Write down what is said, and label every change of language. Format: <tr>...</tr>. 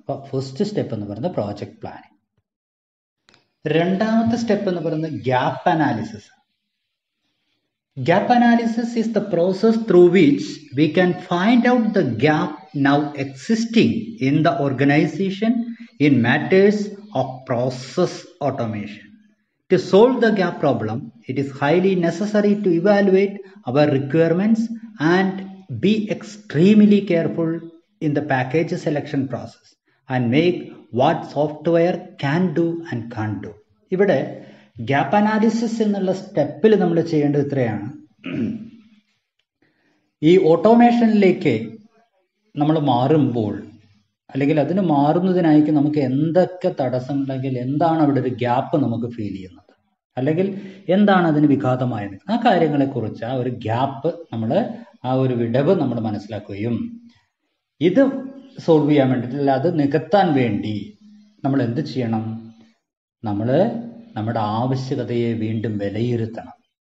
<ml>അപ്പോൾ first step എന്ന് പറയുന്നത് പ്രോജക്റ്റ് പ്ലാനിങ്. രണ്ടാമത്തെ സ്റ്റെപ്പ് എന്ന് പറയുന്നത് gap analysis.</ml> <en>Gap analysis is the process through which we can find out the gap now existing in the organisation in matters of process automation. To solve the gap problem, it is highly necessary to evaluate our requirements and be extremely careful in the package selection process and make what software can do and can't do.</en> <ml>ഇവിടെ gap analysis എന്നുള്ള സ്റ്റെപ്പിൽ നമ്മൾ ചെയ്യേണ്ടത് ഇത്രയാണ്. ഈ ഓട്ടോമേഷനിലേക്ക് നമ്മൾ മാറുമ്പോൾ അല്ലെങ്കിൽ അതിന് മാറുന്നതിനായിരിക്കും നമുക്ക് എന്തൊക്കെ തടസ്സമുണ്ടെങ്കിൽ എന്താണ് അവിടെ ഒരു ഗ്യാപ്പ് നമുക്ക് ഫീൽ ചെയ്യുന്നത് അല്ലെങ്കിൽ എന്താണ് അതിന് വിഘാതമായത്, ആ കാര്യങ്ങളെക്കുറിച്ച് ആ ഒരു ഗ്യാപ്പ് നമ്മൾ ആ ഒരു വിടവ് നമ്മൾ മനസ്സിലാക്കുകയും ഇത് സോൾവ് ചെയ്യാൻ വേണ്ടിയിട്ട് അല്ല അത് നികത്താൻ വേണ്ടി നമ്മൾ എന്ത് ചെയ്യണം, നമ്മൾ നമ്മുടെ ആവശ്യകതയെ വീണ്ടും വിലയിരുത്തണം.</ml>